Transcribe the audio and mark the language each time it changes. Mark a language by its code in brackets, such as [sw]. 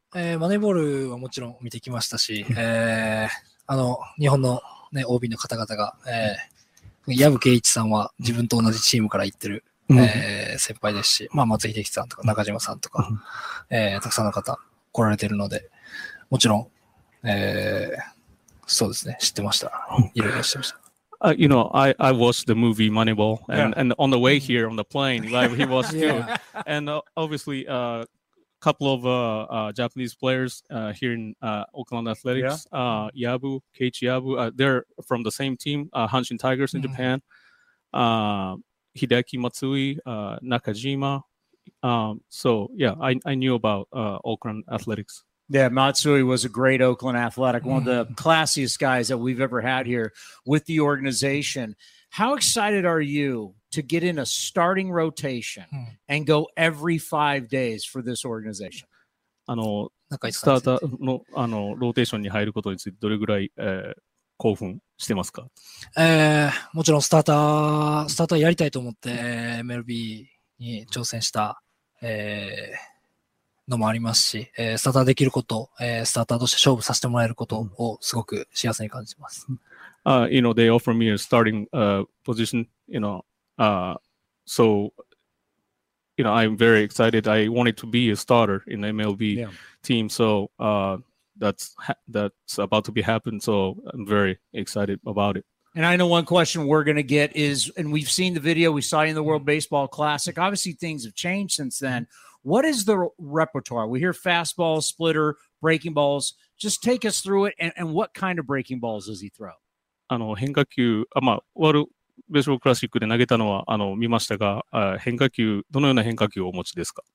[ja] Moneyballはもちろん見てきましたし、日本の、ね、OB の方々が、矢部圭一さんは自分と同じチームから行ってる先輩ですし、松井秀喜さんとか中島さんとか、たくさんの方来られてるので、もちろん、そうですね、知ってました。いろいろ知ってました。 [en] You know, I watched the movie Moneyball, and, yeah. and on the way here on the plane, like he was too. Yeah. And obviously, a couple of Japanese players here in Oakland Athletics, yeah. Yabu, Keiichi Yabu, they're from the same team, Hanshin Tigers in mm-hmm. Japan. Hideki Matsui, Nakajima. So, I knew about Oakland Athletics. Yeah, Matsui was a great Oakland Athletic, one of the classiest guys that we've ever had here with the organization. How excited are you to get in a starting rotation and go every 5 days for this organization? [ja] スターターのローテーションに入ることについてどれぐらい、興奮してますか？もちろんスターターやりたいと思って MLB に挑戦した。のもありますし、スターターできること、スターターとして勝負させてもらえることをすごく幸せに感じます。 [en] You know, they offer me a starting position, you know, so, you know, I'm very excited. I wanted to be a starter in the MLB team, so that's about to be happen, so I'm very excited about it. And I know one question we're going to get is, and we've seen the video we saw in the World Baseball Classic. Obviously, things have changed since then. What is the repertoire? We hear fastball, splitter, breaking balls. Just take us through it, and what kind of breaking balls does he throw? [ja] 変化球、ワールドベースボールクラシックで投げたのは見ましたが、変化球、どのような変化球をお持ちですか？